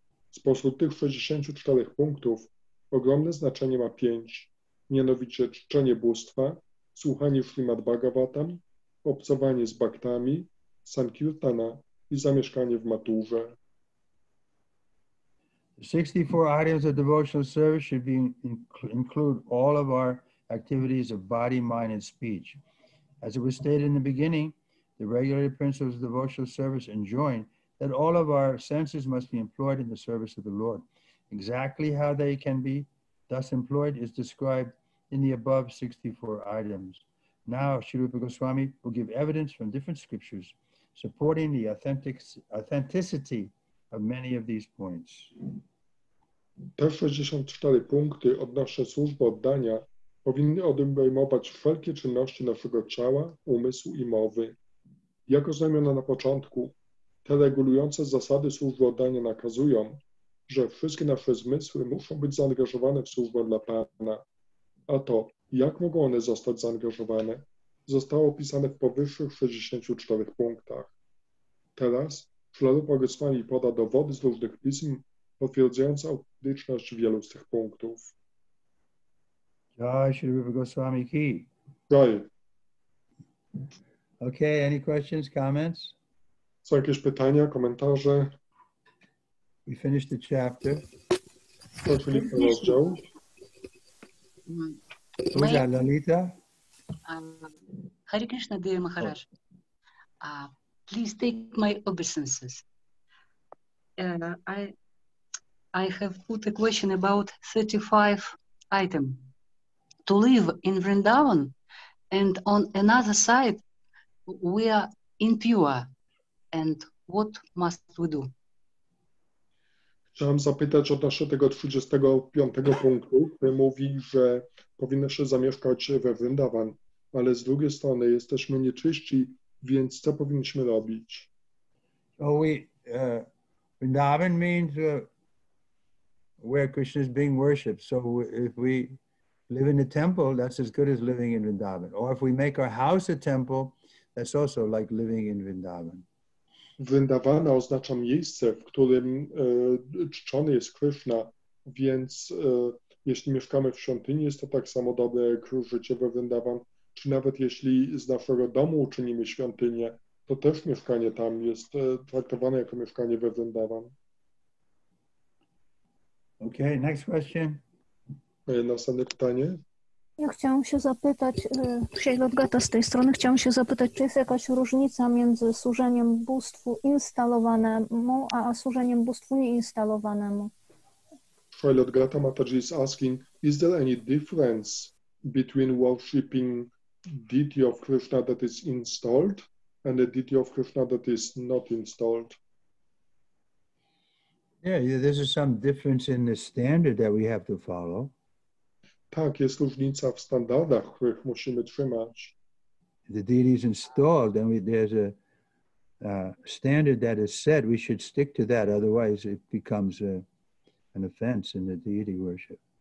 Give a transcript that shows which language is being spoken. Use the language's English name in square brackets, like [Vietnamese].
[Polish] Spośród tych 64 punktów ogromne znaczenie ma 5, mianowicie czczenie bóstwa, słuchanie Srimad Bhagavatam, obcowanie z bhaktami, sankirtana i zamieszkanie w Mathurze. [English] 64 items of devotional service should be include all of our activities of body, mind and speech. As it was stated in the beginning, the regulated principles of devotional service enjoin that all of our senses must be employed in the service of the Lord. Exactly how they can be thus employed is described in the above 64 items. Now, Sri Rupa Goswami will give evidence from different scriptures supporting the authenticity of many of these points. [Polish] Te 64 punkty odnośnie służby oddania powinny obejmować wszelkie czynności naszego ciała, umysłu i mowy. Jak oznajmiono na początku, te regulujące zasady służby oddania nakazują, że wszystkie nasze zmysły muszą być zaangażowane w służbę dla Pana. A to, jak mogą one zostać zaangażowane, zostało opisane w powyższych 64 punktach. Teraz Śrila Rupa Goswami poda dowody z różnych pism potwierdzające autentyczność wielu z tych punktów. [Hindi] Jai Śrila Rupa Goswami ki. Jai. [English] Okay, any questions, comments? [Polish] Są jakieś pytania, komentarze? [English] We finished the chapter. [Polish] Skończyli rozdział. [English] Pooja, Lalita. Hare Krishna, Deva Maharaj. Please take my obeisances. I have put a question about 35 item. To live in Vrindavan and on another side we are impure. And what must we do? [Polish] Chciałem zapytać odnośnie tego 35 punktu, który mówi, że powinno się zamieszkać we Vrindavan, ale z drugiej strony jesteśmy nieczyści, więc co powinniśmy robić? [English] So we Vrindavan means where Krishna is being worshipped. So if we live in a temple, that's as good as living in Vrindavan. Or if we make our house a temple, that's also like living in Vrindavan. [Polish] Vrindavana oznacza miejsce, w którym czczony jest Krishna, więc jeśli mieszkamy w świątyni, jest to tak samo dobre jak życie we Vrindavan. Czy nawet jeśli z naszego domu uczynimy świątynię, to też mieszkanie tam jest traktowane jako mieszkanie we Vrindavan. [English] Okay, next question. [Polish] Następne pytanie. Ja chciałam się zapytać, Shaila Gata z tej strony, chciałam się zapytać, czy jest jakaś różnica między służeniem bóstwu instalowanemu, a służeniem bóstwu nieinstalowanemu? [English] Shaila Gata Mataji is asking, is there any difference between worshipping deity of Krishna that is installed and the deity of Krishna that is not installed? Yeah, there is some difference in the standard that we have to follow. [Polish] Tak, jest różnica w standardach, których musimy trzymać. [English] The deity is installed, then there's a standard that is set. We should stick to that, otherwise it becomes an offense in the deity worship.